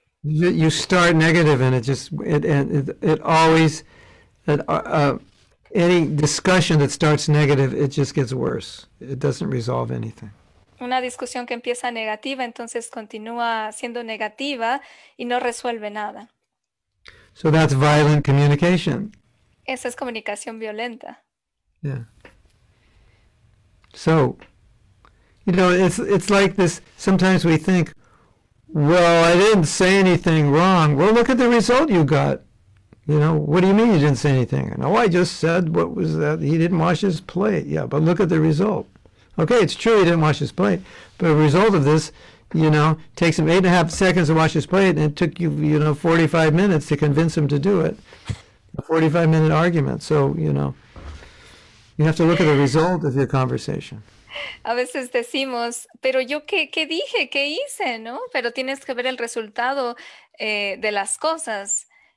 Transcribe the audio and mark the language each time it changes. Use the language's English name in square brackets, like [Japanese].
[English] You start negative and it always any discussion that starts negative, it just gets worse. It doesn't resolve anything. [Spanish] Una discusión que empieza negativa, entonces continúa siendo negativa y no resuelve nada. [English] So that's violent communication. [Spanish] Esa es comunicación violenta. [English] Yeah. So, you know, it's like this, sometimes we think, well, I didn't say anything wrong. Well, look at the result you got. You know, what do you mean you didn't say anything? No, I just said, what was that? He didn't wash his plate. Yeah, but look at the result. Okay, it's true he didn't wash his plate. But a result of this, you know, takes him 8.5 seconds to wash his plate, and it took you, you know, 45 minutes to convince him to do it. A 45-minute argument. So, you know, you have to look at the result of your conversation. [Spanish] A veces decimos, pero yo qué dije, qué hice, ¿no? Pero tienes que ver el resultado de las cosas.